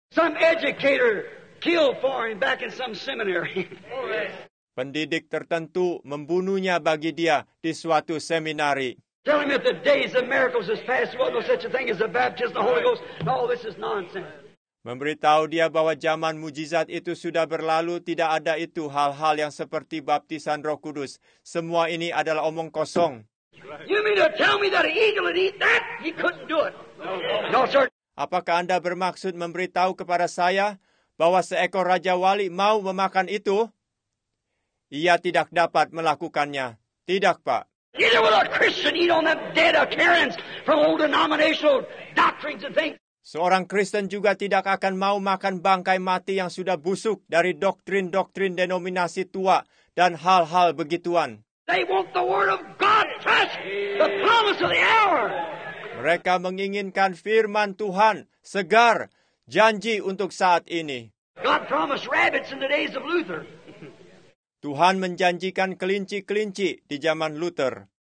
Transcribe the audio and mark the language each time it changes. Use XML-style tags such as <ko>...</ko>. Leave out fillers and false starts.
<en>Some educator killed for him back in some seminary.</en> <id>Pendidik tertentu membunuhnya bagi dia di suatu seminari.</id> <en>Tell him that the days of miracles is past. Well, no such a thing as the baptism of the Holy Ghost. No, this is nonsense.</en> <id>Memberitahu dia bahwa zaman mujizat itu sudah berlalu, tidak ada itu hal-hal yang seperti baptisan Roh Kudus. Semua ini adalah omong kosong.</id> <en>You mean to tell me that an eagle would eat that? He couldn't do it. No, sir.</en> <id>Apakah Anda bermaksud memberitahu kepada saya bahwa seekor Raja Wali mau memakan itu? Ia tidak dapat melakukannya. Tidak, Pak.</id> <en>Neither will a Christian eat on them dead occurrence from old denominational doctrines and things.</en> <id>Seorang Kristen juga tidak akan mau makan bangkai mati yang sudah busuk dari doktrin-doktrin denominasi tua dan hal-hal begituan.</id> <en>They want the word of God fresh, the promise of the hour.</en> <id>Mereka menginginkan firman Tuhan segar, janji untuk saat ini.</id> <en>God promised rabbits in the days of Luther.</en> <id>Tuhan menjanjikan kelinci-kelinci di zaman Luther.</id>